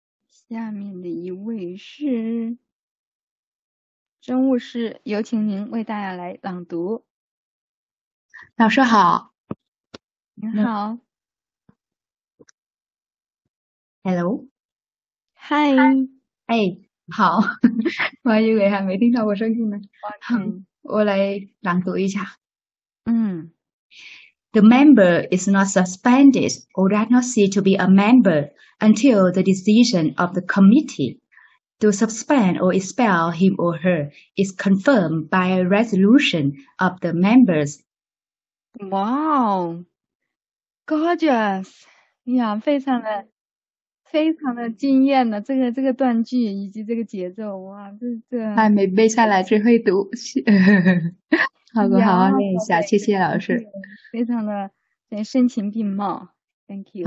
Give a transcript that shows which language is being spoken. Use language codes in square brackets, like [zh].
[zh] 下面的一位是真务师，有请您为大家来朗读。老师好。您好。 [en] Hello。 Hi。 [zh] 哎，好。我还以为还没听到我声音呢。 [en] Okay. [zh] 我来朗读一下。嗯。 [en] The member is not suspended or does not cease to be a member until the decision of the committee to suspend or expel him or her is confirmed by a resolution of the members. Wow, gorgeous! [zh] 呀，非常的、非常的惊艳的这个断句以及这个节奏，哇，这还没背下来，只会读。好的，好好练一下，谢谢老师。非常的深情并茂 ， [en] Thank you。